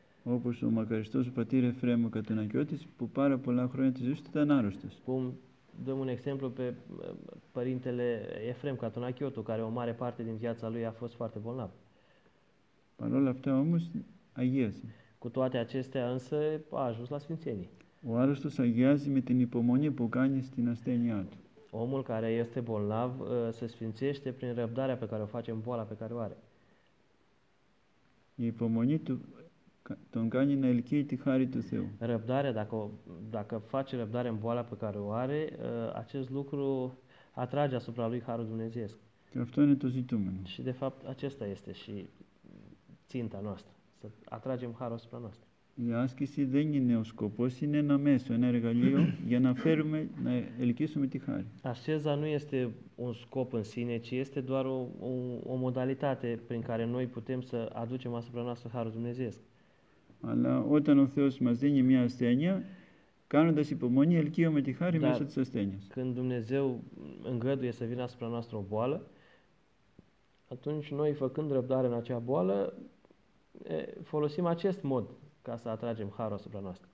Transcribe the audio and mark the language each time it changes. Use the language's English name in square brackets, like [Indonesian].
[Greek] Όπως ο μακαριστός ο πατήρ Εφραίμ ο Κατανακιώτης που πάρα πολλά χρόνια της ζωής του ήταν άρρωστος. [Romanian] Dăm un exemplu pe părintele Εφραίμ Κατανακιώτου, care o mare parte din viața lui a fost foarte bolnav. [Greek] Παρόλα αυτά όμως αγίασε. [Romanian] Cu toate acestea însă a ajuns la Sfințenie. [Greek] Ο άρρωστος αγιάζει με την υπομονή που κάνει στην ασθένειά του. [Romanian] Omul care este bolnav se sfințește prin răbdarea pe care o face în boala pe care o are. [Greek] Η υπομονή του τον κάνει να ελκύει τη χάρη του Θεού. [Romanian] Răbdarea, dacă face răbdare în boala pe care o are, acest lucru atrage asupra lui harul dumnezeiesc. [Greek] Că αυτό είναι το ζητούμενο. [Romanian] Și de fapt acesta este și ținta noastră, să atragem harul asupra noastră. [Greek] Η άσκηση δεν είναι ο σκοπός, είναι ένα μέσο, ένα εργαλείο για να φέρουμε, να ελκύσουμε τη χάρη. [Romanian] Ασκέζα nu este un scop în sine, ci este doar o modalitate prin care noi putem să aducem asupra noastră harul dumnezeiesc. [Greek] Αλλά όταν ο Θεός μας δίνει μια ασθένεια, κάνοντας υπομονή, ελκύουμε τη χάρη μέσω της ασθένειας. [Romanian] Când Dumnezeu îngăduie să vină asupra noastră o boală, atunci noi, făcând răbdare în acea boală, folosim acest mod ca să atragem harul asupra noastră.